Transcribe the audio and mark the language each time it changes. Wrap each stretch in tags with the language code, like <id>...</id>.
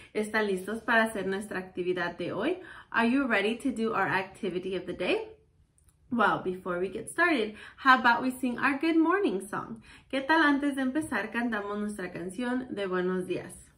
<es>¿Están listos para hacer nuestra actividad de hoy?</es> <en>Are you ready to do our activity of the day? Well, before we get started, how about we sing our good morning song?</en> <es>¿Qué tal antes de empezar cantamos nuestra canción de buenos días?</es>